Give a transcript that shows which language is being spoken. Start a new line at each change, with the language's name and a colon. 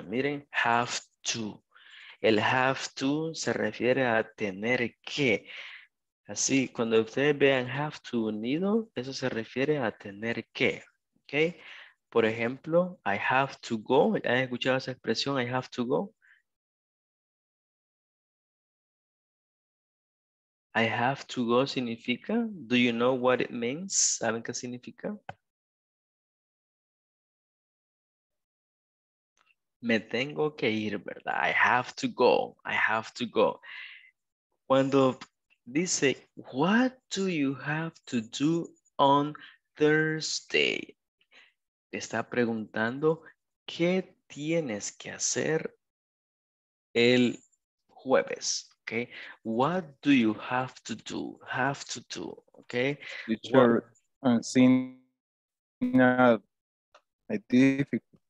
Spanish: Miren, have to. El have to se refiere a tener que. Así, cuando ustedes vean have to unido, eso se refiere a tener que.
English: Ok,
Spanish: por ejemplo,
English: I have to go.
Spanish: ¿Han escuchado esa expresión,
English: I have to go? I have to go significa, do you know what it means?
Spanish: ¿Saben qué significa? Me tengo que ir, ¿verdad?
English: I have to go, I have to go.
Spanish: Cuando dice,
English: what do you have to do on Thursday?
Spanish: Está preguntando, ¿qué tienes que hacer el jueves?
English: Okay. What do you have to do? Have to do. Okay. Teacher, I'm seeing a difficult.